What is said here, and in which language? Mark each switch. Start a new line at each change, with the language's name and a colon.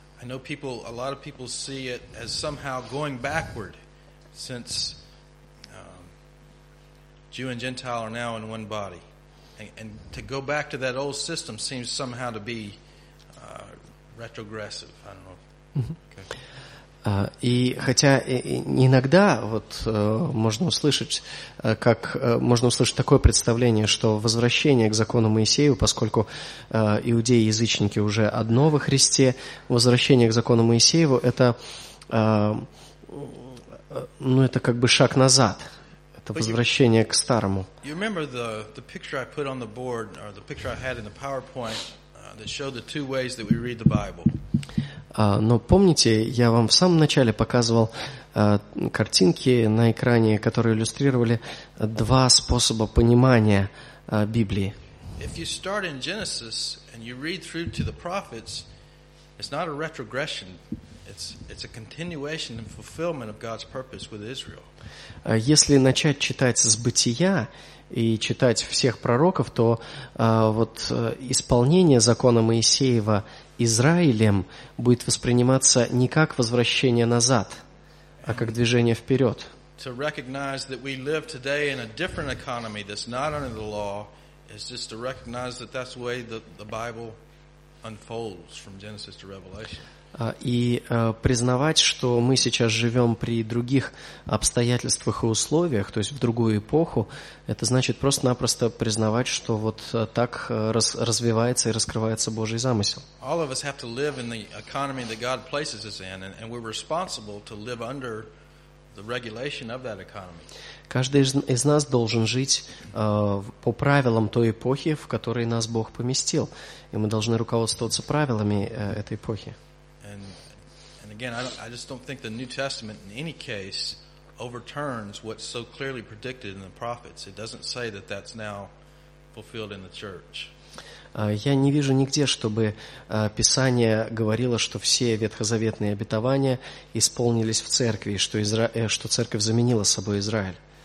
English: I know people, a lot of people see it as somehow going backward since Jew and Gentile are now in one body. And to go back to that old system seems somehow to be retrogressive. I don't know. Okay.
Russian: И хотя иногда вот можно услышать, как можно услышать такое представление, что возвращение к закону Моисею, поскольку иудеи и язычники уже одно во Христе, возвращение к закону Моисееву – это, ну, это как бы шаг назад, это возвращение к старому.
English: You remember the picture I put on the board, or the picture I had in the PowerPoint, that showed the two ways that we read the Bible.
Russian: Но помните, я вам в самом начале показывал картинки на экране, которые иллюстрировали два способа понимания Библии.
English: If you start in Genesis and you read through to the prophets, it's not a retrogression. It's a continuation and fulfillment of God's purpose with Israel.
Russian: Если начать читать с Бытия и читать всех пророков, то вот исполнение закона Моисеева Израилем будет восприниматься не как возвращение назад, а как движение вперед.
English: To recognize that we live today in a different economy that's not under the law is just to recognize that that's the way the Bible unfolds from Genesis to Revelation.
Russian: И признавать, что мы сейчас живем при других обстоятельствах и условиях, то есть в другую эпоху, это значит просто-напросто признавать, что вот так развивается и раскрывается Божий замысел.
English: All of us have to live in the economy that God places us in, and we're responsible to live under the regulation of that economy.
Russian: Каждый из нас должен жить по правилам той эпохи, в которой нас Бог поместил, и мы должны руководствоваться правилами этой эпохи.
English: Again, I just don't think the New Testament, in any case, overturns what's so clearly predicted in the prophets. It doesn't say that that's now fulfilled in the church.
Russian: Я не вижу нигде, чтобы Писание говорило, что все ветхозаветные обетования исполнились в церкви, что что церковь заменила собой Израиль.